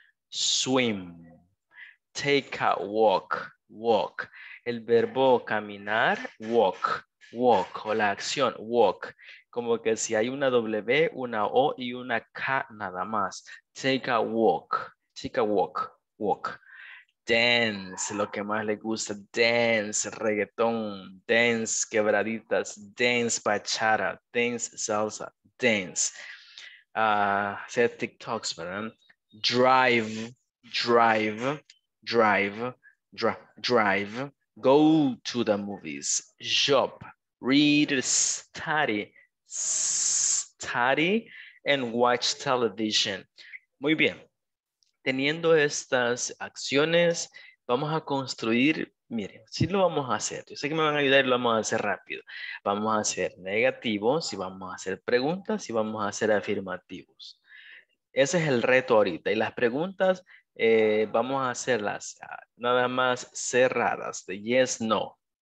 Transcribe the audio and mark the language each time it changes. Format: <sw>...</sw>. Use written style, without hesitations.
<en>Swim, take a walk, walk,</en> <es>el verbo caminar,</es> <en>walk, walk,</en> <es>o la acción, walk, como que si hay una W, una O y una K nada más,</es> <en>take a walk, walk, dance,</en> <es>lo que más le gusta,</es> <en>dance, reggaetón, dance, quebraditas, dance, bachata, dance, salsa, dance,</en> <es>hacer TikToks, ¿verdad?</es> <en>Drive, drive, drive, drive, go to the movies, shop, read,</en> <es>study, study, and watch television. Muy bien. Teniendo estas acciones, vamos a construir, miren, sí lo vamos a hacer. Yo sé que me van a ayudar y lo vamos a hacer rápido. Vamos a hacer negativos y vamos a hacer preguntas y vamos a hacer afirmativos. Ese es el reto ahorita. Y las preguntas vamos a hacerlas nada más cerradas, de yes, no.</es>